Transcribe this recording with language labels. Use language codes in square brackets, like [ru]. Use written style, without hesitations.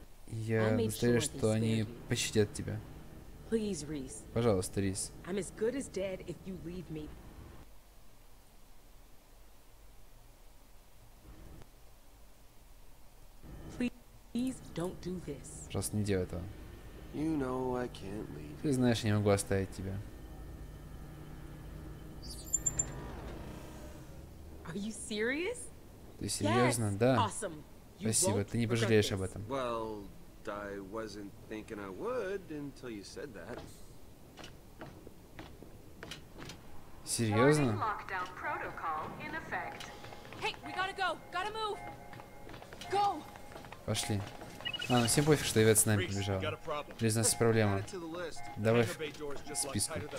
[ru] Я настаиваю, что они пощадят тебя. [en] Please, Риз. [ru] Пожалуйста, Риз. [en] I'm as good as dead if you leave me. Please don't do this. [ru] Пожалуйста, не делай этого. [en] You know I can't leave. [ru] Ты знаешь, я не могу оставить тебя. [en] Are you serious? [ru] Ты серьезно? [en] Yes. [ru] Да. [en] Awesome. [ru] Спасибо, ты не пожалеешь об этом. [en] Well, I wasn't thinking I would until you said that. [ru] Серьезно? [en] Lockdown protocol in effect. Hey, we gotta go. Gotta move. Go. [ru] Пошли. А, ну всем пофиг, что Ивет с нами побежал. Риз, у нас проблема. Давай в списку.